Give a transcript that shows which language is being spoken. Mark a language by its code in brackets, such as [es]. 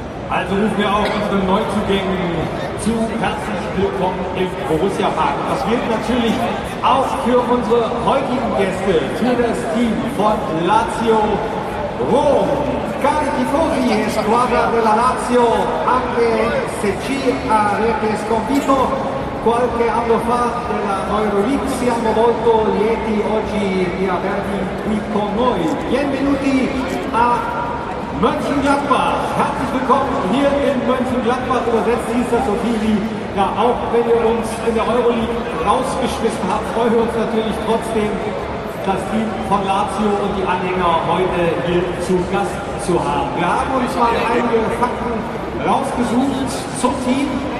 [de] Also rufen wir auch unseren Neuzugängen zu. Herzlich willkommen im Borussia-Park. Das gilt natürlich auch für unsere heutigen Gäste, für das Team von Lazio Rom. [it] Cari tifosi e squadra della Lazio, anche se ci avete sconfitto qualche anno fa della Euroleague, siamo molto lieti oggi di avervi qui con noi. Benvenuti a [de] Mönchengladbach. Herzlich willkommen hier in Mönchengladbach. Übersetzt hieß das so viel wie, ja, auch wenn ihr uns in der Euroleague rausgeschmissen habt, freuen wir uns natürlich trotzdem, das Team von Lazio und die Anhänger heute hier zu Gast zu haben. Wir haben uns mal einige Fakten rausgesucht zum Team.